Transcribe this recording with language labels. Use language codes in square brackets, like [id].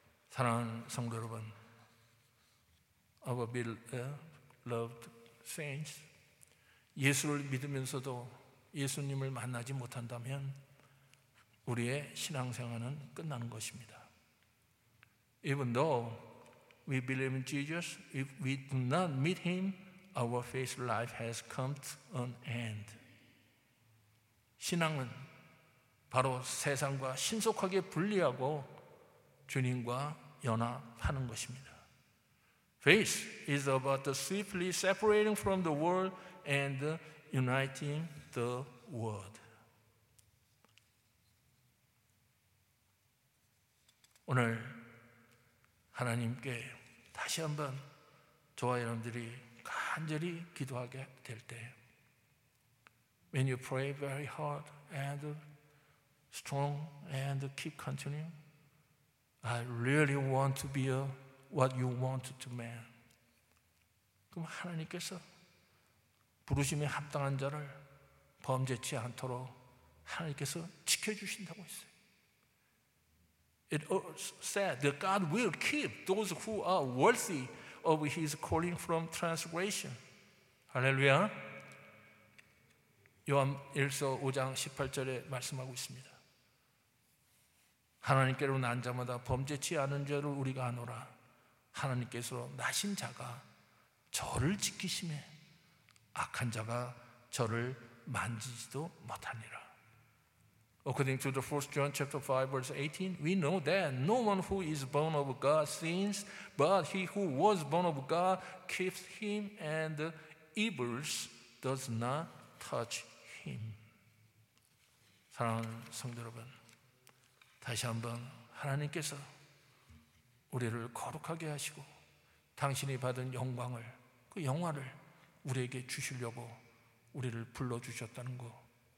[ko] 사랑하는 성도 여러분, [en] our beloved saints, [ko] 예수를 믿으면서도 예수님을 만나지 못한다면 우리의 신앙생활은 끝나는 것입니다. [en] Even though we believe in Jesus, if we do not meet him, our faith life has come to an end. [ko] 신앙은 바로 세상과 신속하게 분리하고 주님과 연합하는 것입니다. [en] Faith is about the swiftly separating from the world and uniting the world. [ko] 오늘 하나님께 다시 한번 저와 여러분들이 간절히 기도하게 될 때, [en] when you pray very hard and strong and keep continuing, I really want to be a what you want to man. [ko] 그럼 하나님께서 부르심에 합당한 자를 범죄치 않도록 하나님께서 지켜주신다고 했어요. [en] It said that God will keep those who are worthy of his calling from transgression. [ko] 할렐루야. 요한일서 5장 18절에 말씀하고 있습니다. 하나님께로 난 자마다 범죄치 않은 죄를 우리가 아노라. 하나님께서 나신 자가 저를 지키심에 악한 자가 저를 만지지도 못하니라. [en] According to the 1 John chapter 5 verse 18, we know that no one who is born of God sins, but he who was born of God keeps him and evil does not touch him. [ko] 사랑하는 성도 여러분, 다시 한번 하나님께서 우리를 거룩하게 하시고 당신이 받은 영광을 그 영화를 우리에게 주시려고 우리를 불러주셨다는 거